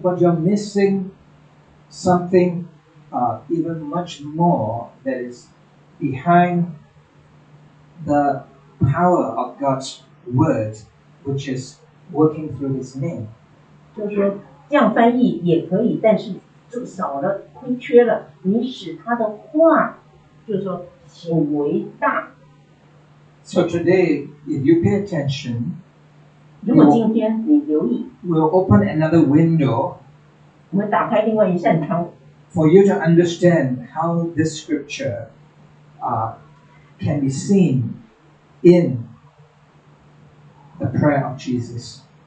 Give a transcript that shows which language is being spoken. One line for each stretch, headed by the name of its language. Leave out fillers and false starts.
English: But you're missing something, even much more that is behind the power of God's word, which is working through His name.
Chinese: 就是说，这样翻译也可以，但是。就少了，亏缺了。你使他的话，就是说显为大。
English: So today, if you pay attention,
Chinese: 如果今天你留意，
English: we'll open another window.
Chinese: 我们打开另外一扇窗。
English: For you to understand how this scripture, can be seen in the prayer of Jesus.